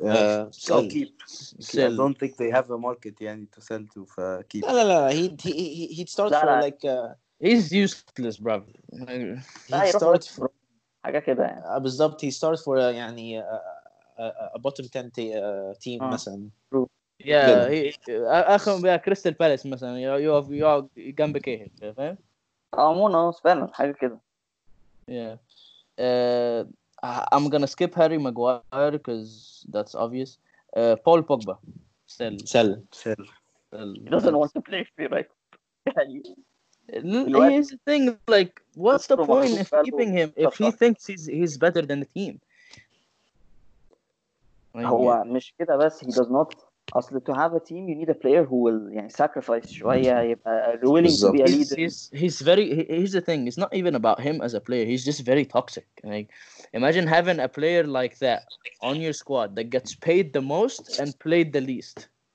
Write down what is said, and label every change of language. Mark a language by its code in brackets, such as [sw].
[en] I don't think they have a market يعني to sell to keep. [ar] لا لا لا [en] he'd start for like he's useless bro. He start for [ar] حاجة كده يعني. [en] بالضبط he start for يعني a bottom 10 team مثلا. [ar] Yeah, اخر بقى كريستال بالاس مثلا [en] you have [ar] جنب كيهل فاهم؟ مونو سبينر حاجة كده. [en] I'm gonna skip Harry Maguire because that's obvious. Paul Pogba, sell. He doesn't want to play for you, right? Here's the thing, like, what's the point of keeping him if he thinks he's better than the team? [ar] هو مش كده بس [en] he does not. Also, to have a team, you need a player who will يعني, sacrifice شوية, willing to be a leader. Here's the thing. It's not even about him as a player. He's just very toxic. Like, imagine having a player like that on your squad that gets paid the most and played the least.